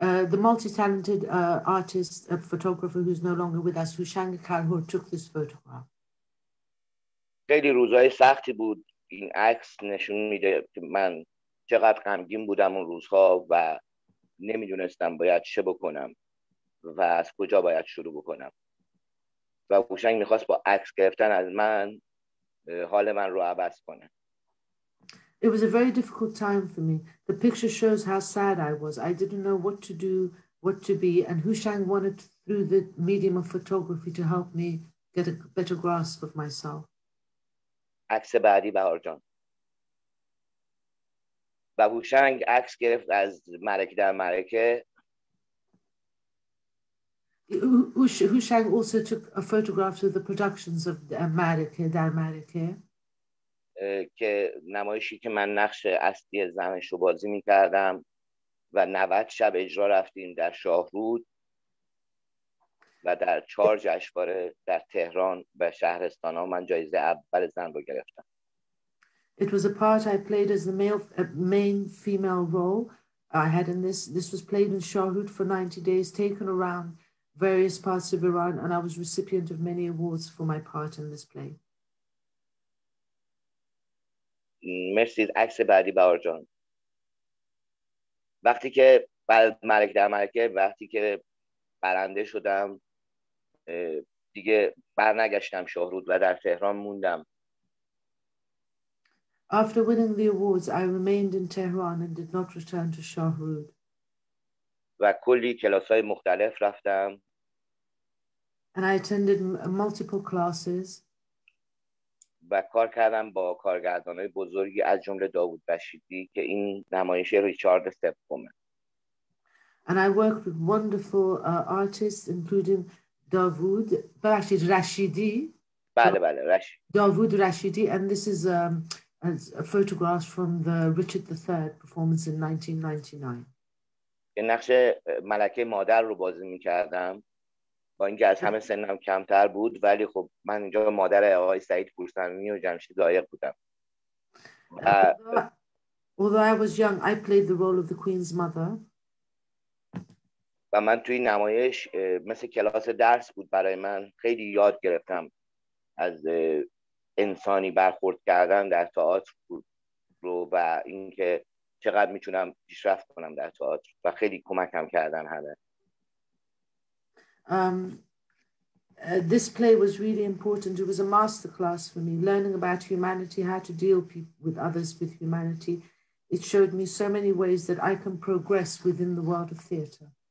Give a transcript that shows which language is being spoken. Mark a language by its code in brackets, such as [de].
[en] The multi-talented artist, photographer who's no longer with us, Hushang Kalhor, took this photograph. [fa] خیلی روزای سختی بود. این عکس نشون میده که من چقدر غمگین بودم اون روزها و نمیدونستم باید چه بکنم و از کجا باید شروع بکنم. و هوشنگ میخواست با عکس گرفتن از من حال من رو عوض کنه. [en] It was a very difficult time for me. The picture shows how sad I was. I didn't know what to do, what to be, and Hushang wanted to, through the medium of photography to help me get a better grasp of myself. [fa] عکس بعدی بهار جان. و هوشنگ عکس گرفت از مرکه در مرکه. [en] Hushang also took a photograph of the productions of مرکه در مرکه. [fa] که نمایشی که من نقش اصلی زنش رو بازی می کردم و 90 شب اجرا رفتیم در شاهرود و در 4 جشنواره در تهران و شهرستان ها من جایزه اول زن رو گرفتم. [en] It was a part I played as the male, main female role I had in this. This was played in Shahrood for 90 days, taken around various parts of Iran, and I was recipient of many awards for my part in this play. [fa] مرسی. عکس بعدی بهار جان. وقتی که بعد ملک در ملکه وقتی که برنده شدم دیگه برنگشتم شاهرود و در تهران موندم. [en] After winning the awards I remained in Tehran and did not return to Shahrood. [fa] و کلی کلاس‌های مختلف رفتم. [en] And I attended multiple classes. [fa] و کار کردم با کارگردانای بزرگی از جمله داوود بشیدی که این نمایش ریچارد سومه. [en] And I worked with wonderful artists including Davoud بشید Rashidi. [fa] بله بله رشید. [en] Davoud Rashidi and this is a photograph from the Richard III performance in 1999. [fa] که نقش ملکه مادر رو بازی می‌کردم. با اینکه از همه سنم کمتر بود ولی خب من اینجا مادر آقای سعید پورسمی و جمشید لایق بودم. [en] Although I was young, I played the role of the queen's mother. [fa] و من توی نمایش مثل کلاس درس بود برای من. خیلی یاد گرفتم از انسانی برخورد کردن در تئاتر رو و اینکه چقدر میتونم پیشرفت کنم در تئاتر و خیلی کمکم کردن همه. [en] This play was really important. It was a masterclass for me, learning about humanity, how to deal with others with humanity. It showed me so many ways that I can progress within the world of theater.